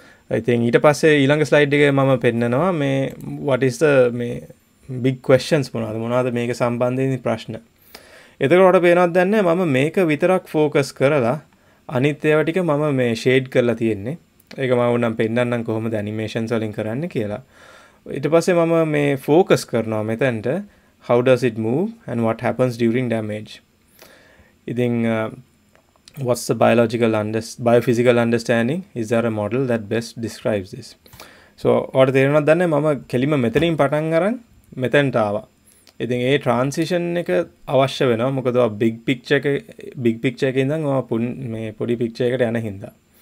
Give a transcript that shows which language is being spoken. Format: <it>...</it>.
<si>ඉතින් ඊට පස්සේ ඊළඟ ස්ලයිඩ් එකේ මම පෙන්නනවා මේ</si> <en>what is the</en> <si>මේ big questions මොනවාද මේක සම්බන්ධයෙන් ප්‍රශ්න. එතකොට පේනවද දැන්නේ මම මේක විතරක් ફોකස් කරලා අනිත් ඒවා ටික මම මේ ෂේඩ් කරලා තියෙන්නේ. ඒක මම උනම් පෙන්නන්නම් කොහොමද animations වලින් කරන්නේ කියලා. ඊට පස්සේ මම මේ ફોකස් කරනවා මෙතෙන්ට</si> <en>how does it move and what happens during damage.</en> <si>ඉතින්</si> <en>what's the biological biophysical understanding, is there a model that best describes this.</en> <si>So ඔයාලට තේරෙනවද දැන්නේ මම කෙලිම මෙතනින් පටන් අරන් මෙතෙන්ට ආවා. ඉතින් ඒ ට්‍රාන්සිෂන් එක අවශ්‍ය වෙනවා මොකද ඔය බිග් පික්චර් එක ඉඳන් ඔය මේ පොඩි පික්චර් එකට යන හින්දා.</si>